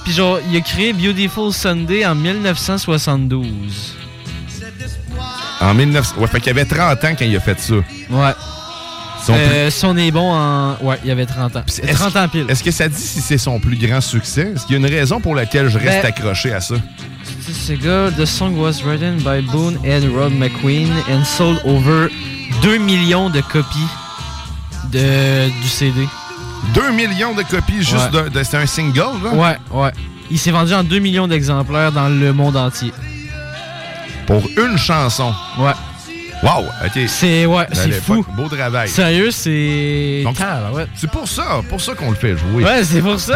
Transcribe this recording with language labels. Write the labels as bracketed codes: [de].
[fr] Puis genre, il a créé Beautiful Sunday en 1972. En 19... Ouais, fait qu'il avait 30 ans quand il a fait ça. Ouais. Si on est bon en... Ouais, il y avait 30 ans. Est-ce 30 ans pile. Est-ce que ça dit si c'est son plus grand succès? Est-ce qu'il y a une raison pour laquelle je reste accroché à ça? [en] Ce gars, The song was written by Boone and Rob McQueen and sold over 2 millions de copies du CD. [fr] 2 millions de copies juste de... C'est un single, là? Ouais, ouais. Il s'est vendu en 2 millions d'exemplaires dans le monde entier. Pour une chanson? Ouais. Wow, OK. C'est, ouais, c'est fou. Beau travail. Sérieux, c'est... Donc, c'est pour ça qu'on le fait jouer. Ouais, c'est pour ça.